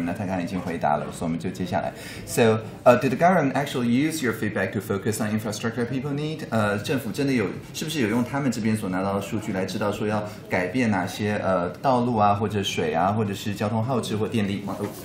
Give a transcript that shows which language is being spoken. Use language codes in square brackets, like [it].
[zh] 那他刚刚已经回答了，所以我们就接下来。 [en] So, did the government actually use your feedback to focus on infrastructure people need？ [zh] 政府真的有是不是有用他们这边所拿到的数据来知道说要改变哪些道路啊，或者水啊，或者是交通耗制或电力吗